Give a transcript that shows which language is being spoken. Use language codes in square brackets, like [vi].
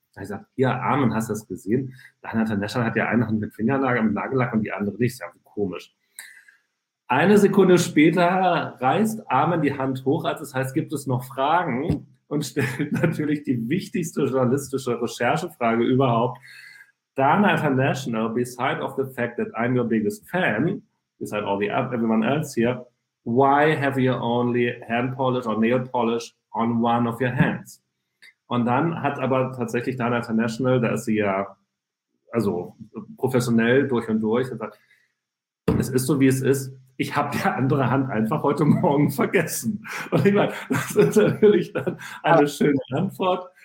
[de] Da habe ich gesagt, hier, Armin, hast du das gesehen? Dana International hat ja eine Hand mit Fingernagel, mit Nagellack und die andere nicht. Das ist ja komisch. Eine Sekunde später reißt Armin die Hand hoch, als es heißt, gibt es noch Fragen? Und stellt natürlich die wichtigste journalistische Recherchefrage überhaupt. [en] Dana International, beside of the fact that I'm your biggest fan, beside all the everyone else here, why have you only hand polish or nail polish on one of your hands? [de] Und dann hat aber tatsächlich Dana International, da ist sie ja also professionell durch und durch, gesagt, es ist so, wie es ist. Ich habe die andere Hand einfach heute Morgen vergessen. Und ich meine, das ist natürlich dann eine schöne Antwort.